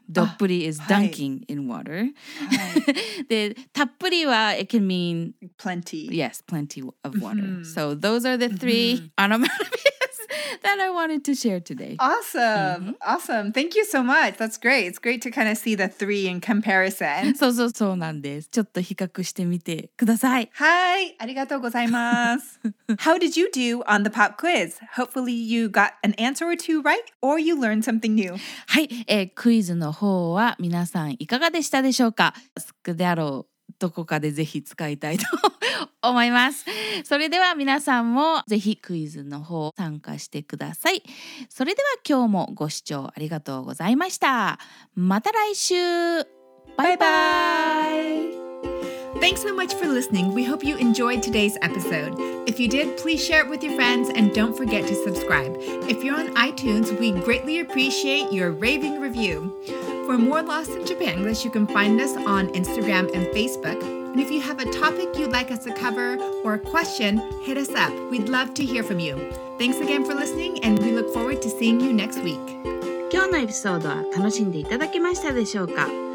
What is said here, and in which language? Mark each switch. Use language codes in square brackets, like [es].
[en] Doppuri is dunking in water. Tappuriは, it can mean... Plenty. Yes, plenty of water. Mm-hmm. So those are the three onomatopoeias that I wanted to share today. Awesome. Mm-hmm. Awesome. Thank you so much. That's great. It's great to kind of see the three in comparison. [ja] そうそうそうなんです。ちょっと比較してみてください。 [en] Hi. [ja] ありがとうございます。 [en] How did you do on the pop quiz? Hopefully you got an answer or two right or you learned something new. [ja] はい。クイズの方は皆さんいかがでしたでしょうか?スクダロどこかでぜひ使いたいと。思います。それでは皆さんもぜひクイズの方参加してください。それでは今日もご視聴ありがとうございました。また来週。バイバイ。 [en] Thanks so much for listening. We hope you enjoyed today's episode. If you did, please share it with your friends and don't forget to subscribe. If you're on iTunes, we greatly appreciate your raving review. For more Lost in Japanglish, you can find us on Instagram and Facebook. And if you have a topic you'd like us to cover or a question, hit us up. We'd love to hear from you. Thanks again for listening, and we look forward to seeing you next week. [ja] 今日のエピソードは楽しんでいただけましたでしょうか?